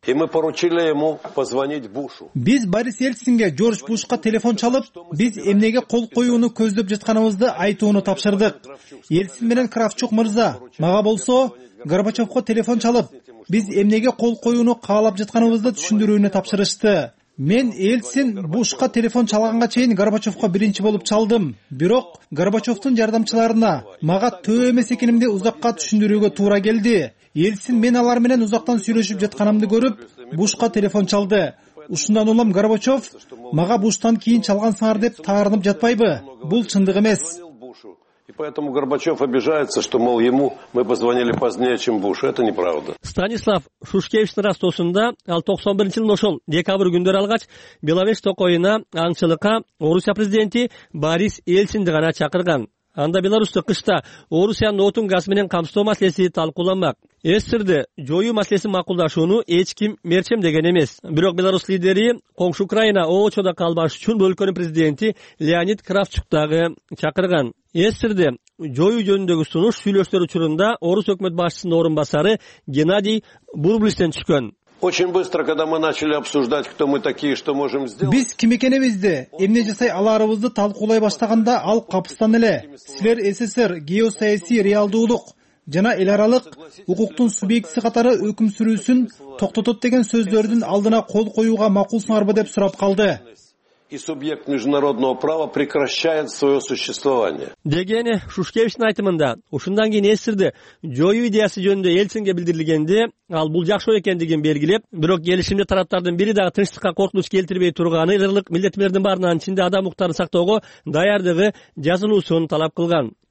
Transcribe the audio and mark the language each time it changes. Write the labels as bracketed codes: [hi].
[ru] И мы поручили ему позвонить Бушу. [ky] Биз Борис Ельцинге Джордж Бушка телефон чалып, биз эмнеге кол коюуну көздөп жатканыбызды айтууну тапшырдык. Ельцин менен Кравчук мырза, мага болсо Горбачевко телефон чалып, биз эмнеге кол коюуну каалап жатканыбызды түшүндүрүүнү тапшырышты. Мен Ельцин Бушка телефон чалганга чейин Горбачевко биринчи болуп чалдым. Бирок Горбачевтун жардамчыларына мага төө эмес экенимди узакка түшүндүрүүгө туура келди. Ельцин мен алар менен узактан сүйлөшүп жатканымды көрүп, Бушка телефон чалды. Ушундан улам Горбачев мага Буштан кийин чалгансыңар деп таарынып жатпайбы? Бул чындык эмес. [ru] И поэтому Горбачев обижается, что, мол, ему мы позвонили позднее, чем Буш. Это неправда. [ky] Станислав Шушкевичтин Ростосунда, ал 91 жылдын ошол декабрь күндөрү алгач, Беловеж токоюна аңчылыкка Орусия президенти Борис Ельцинди гана чакырган. Анда Беларусь кышта Орусиянын отун газ менен камсыздоо маселеси талкууланмак. Эстерди жоюу маселесин макулдашууну эч ким мерчемдеген эмес. Бирок Беларусь лидери коңшу Украина оочодо калбаш үчүн бул өлкөнүн президенти Леонид Кравчук дагы чакырган. Эстерди жоюу жөнүндөгү сунуш сүйлөштөр учурунда Орус өкмөт башчысынын орун басары Геннадий Бурблистен түшкөн. [ru] Очень быстро, когда мы начали обсуждать, кто мы такие, что можем сделать. [ky] Биз ким экенибизди, эмне жасай аларыбызды талкуулай баштаганда ал капыстан эле. Силер СССР геосаясий реалдуулук жана эл аралык укуктун субъектиси катары өкүм сүрүүсүн токтотот деген сөздөрдүн алдына кол коюуга макулсуңарбы деп сурап калды. [ru] И субъект международного права прекращает свое существование. [ky] Дегени Шушкевичтин айтымында ушундан кийин эстерди жоюу идеясы жөнүндө Ельцинге билдирилгенде ал бул жакшы экендигин белгилеп, бирок келишимде тараптардын бири дагы тынчтыкка коркунуч келтирбей турганы, ырлык милдеттердин баарынан ичинде адам укуктарын сактоого даярдыгы жазылуусун талап кылган.